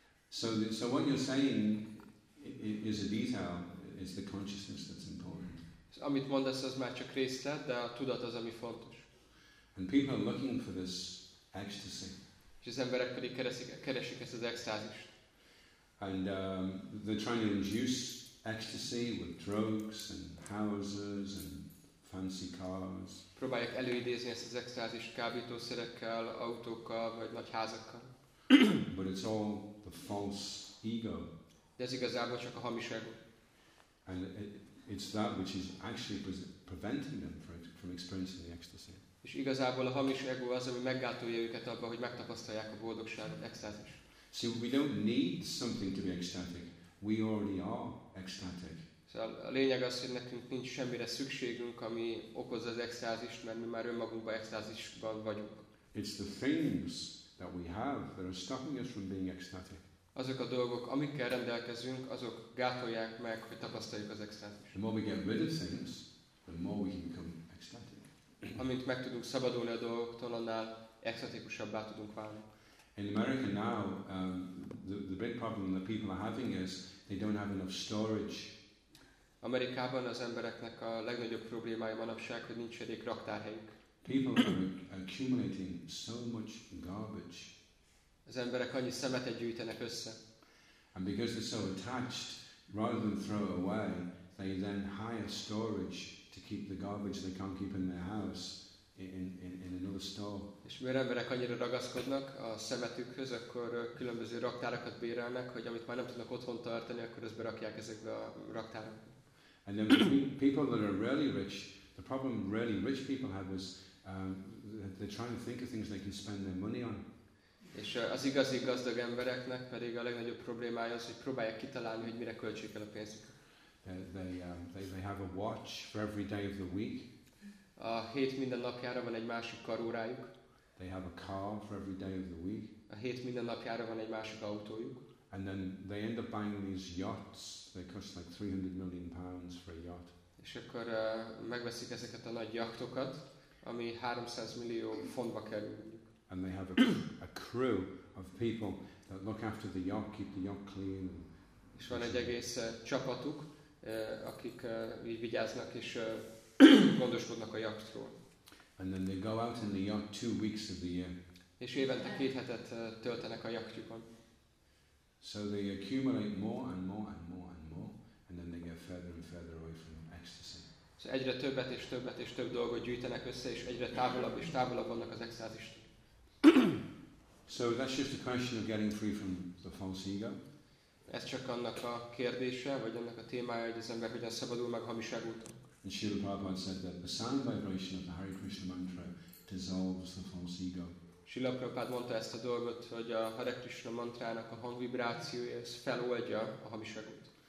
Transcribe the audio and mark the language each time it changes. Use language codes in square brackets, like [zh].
[en] So what you're saying is a detail, is the consciousness that's important. [hu] Amit mondasz, az már csak részlet, de a tudat az, ami fontos. [en] And people are looking for this ecstasy. [hu] És az emberek pedig keresik ezt az extázist. [en] And they're trying to induce ecstasy with drugs and houses and fancy cars. [hu] Próbálják előidézni ezt az extázist kábítószerekkel, autókkal vagy nagy házakkal. [en] But it's all the false ego. [hu] De ez igazából csak a hamis ego. [en] And it's that which is actually preventing them from experiencing the ecstasy. [hu] És igazából a hamis ego az, ami meggátolja őket abban, hogy megtapasztalják a boldogságot, extázist. [en] So we don't need something to be ecstatic. We already are ecstatic. [hu] Szóval a lényeg az, hogy nekünk nincs semmire szükségünk, ami okozza az extázist, mert mi már önmagunkban extázisban vagyunk. [en] It's the things that we have that are stopping us from being ecstatic. [hu] Azok a dolgok, amikkel rendelkezünk, azok gátolják meg, hogy tapasztaljuk az extázist. [en] The more we get rid of things, the more we can become ecstatic. [hu] Amint meg tudunk szabadulni a dolgoktól, annál extatikusabbá tudunk válni. [en] In America now, the big problem that people are having is they don't have enough storage. [hu] Amerikában az embereknek a legnagyobb problémája manapság, hogy nincs elég raktárhelyük. [en] People are accumulating so much garbage. [hu] Az emberek annyi szemetet gyűjtenek össze. [en] And because they're so attached, rather than throw away, they then hire storage to keep the garbage they can't keep in their house. In another store. [hu] És mivel emberek annyira ragaszkodnak a szemetükhöz, akkor különböző raktárakat bérelnek, hogy amit már nem tudnak otthon tartani, akkor ezt berakják ezekbe a raktárakba. [en] And then people that are really rich, the problem really rich people have is they're trying to think of things they can spend their money on. [hu] És az igazi gazdag embereknek pedig a legnagyobb problémája az, hogy próbálják kitalálni, hogy mire költsék el a pénzük. [en] They have a watch for every day of the week. [hu] A hét minden napjára van egy másik karórájuk. [en] They have a car for every day of the week. [hu] A hét minden napjára van egy másik autójuk. [en] And then they end up buying these yachts. They cost like £300 million for a yacht. [hu] És akkor megveszik ezeket a nagy yachtokat, ami 300 millió fontba kerül. [en] And they have a crew of people that look after the yacht, keep the yacht clean. [hu] És van egy egész csapatuk, akik vigyáznak és gondoskodnak a yachtról. [en] And then they go out in the yacht 2 weeks of the year. [hu] És évente két hetet töltenek a yachtjukon. [en] So they accumulate more and more and more and more, and then they get further and further away from ecstasy. [hu] So egyre többet és többet és több dolgot gyűjtenek össze, és egyre távolabb és távolabb vannak az extázistól. [en] So that's just a question of getting free from the false ego. [hu] Ez csak annak a kérdése, vagy annak a témája, hogy az ember hogyan szabadul meg hamis egótól. [en] And Srila Prabhupada said that the sound vibration of the Hare Krishna mantra dissolves the false ego. [hu] Srila Prabhupada mondta ezt a dolgot, hogy a Hare Krishna mantrának a hangvibrációja feloldja a hamis egót.